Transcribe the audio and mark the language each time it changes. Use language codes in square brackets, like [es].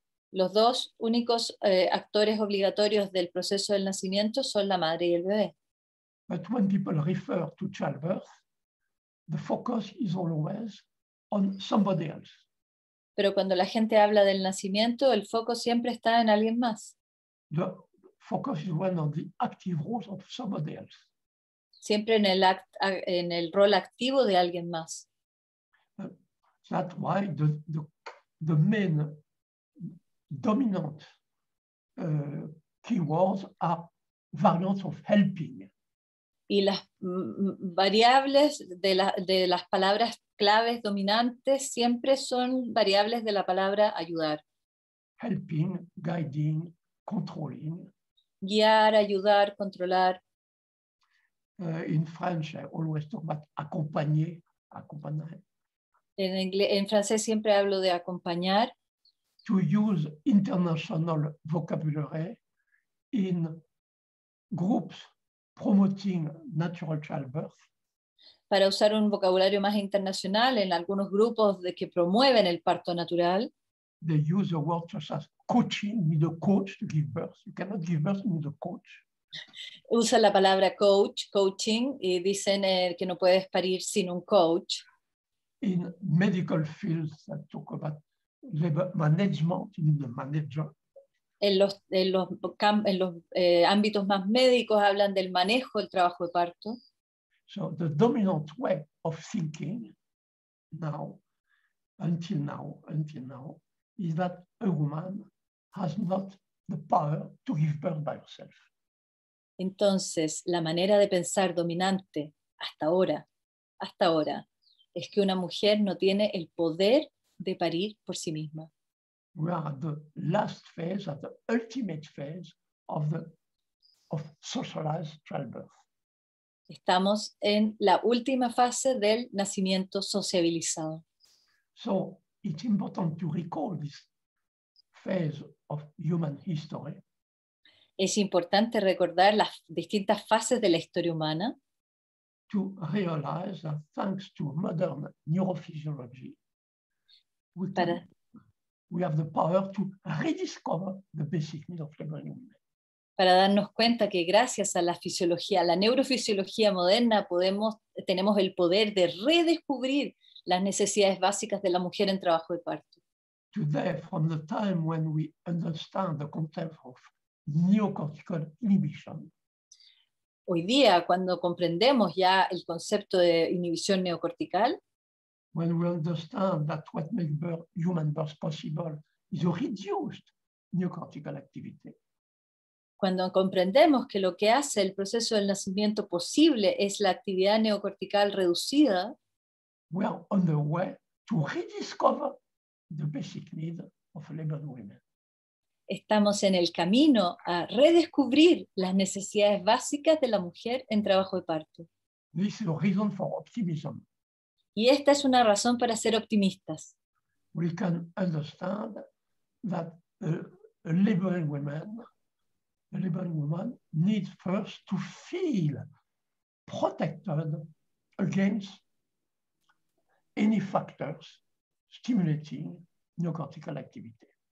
[es] Los dos únicos actores obligatorios del proceso del nacimiento son la madre y el bebé. [en] But when people refer to childbirth, the focus is always on somebody else. [es] Pero cuando la gente habla del nacimiento, el foco siempre está en alguien más. [en] The focus is when on the active role of somebody else. [es] Siempre en el act, en el rol activo de alguien más. [en] That's why the main dominant keywords are variants of helping. [es] Y las variables de las palabras claves dominantes siempre son variables de la palabra ayudar. [en] Helping, guiding, controlling. [es] Guiar, ayudar, controlar. [en] In French, I always talk about accompagner, accompagner. [es] En francés siempre hablo de acompañar. [en] To use international vocabulary in groups promoting natural childbirth. [es] Para usar un vocabulario más internacional en algunos grupos de que promueven el parto natural. [en] They use a word such as coaching, need a coach to give birth. You cannot give birth, you need a coach. [es] Usa la palabra coach, coaching, y dicen que no puedes parir sin un coach. [en] In medical fields that talk about labor management, you need a manager. [es] En los ámbitos más médicos hablan del manejo, el trabajo de parto. [en] So the dominant way of thinking until now, is that a woman has not the power to give birth by herself. [es] Entonces, la manera de pensar dominante hasta ahora, es que una mujer no tiene el poder de parir por sí misma. [en] We are at the last phase, at the ultimate phase of socialized childbirth. [es] Estamos en la última fase del nacimiento sociabilizado. [en] So, it's important to recall this phase of human history. [es] Es importante recordar las distintas fases de la historia humana. [en] To realize that thanks to modern neurophysiology, we have the power to rediscover the basic need of laboring women. [es] Para darnos cuenta que gracias a la fisiología, la neurofisiología moderna, tenemos el poder de redescubrir las necesidades básicas de la mujer en trabajo de parto. [en] Today, from the time when we understand the concept of neocortical inhibition, [es] hoy día, cuando comprendemos ya el concepto de inhibición neocortical, [en] when we understand that what makes human birth possible is a reduced neocortical activity. [es] Cuando comprendemos que lo que hace el proceso del nacimiento posible es la actividad neocortical reducida, [en] we are on the way to rediscover the basic need of labored women. [es] Estamos en el camino a redescubrir las necesidades básicas de la mujer en trabajo de parto. [en] This is a reason for optimism. [es] Y esta es una razón para ser optimistas. [en] We can understand that a laboring woman needs first to feel protected against any factors stimulating neocortical activity.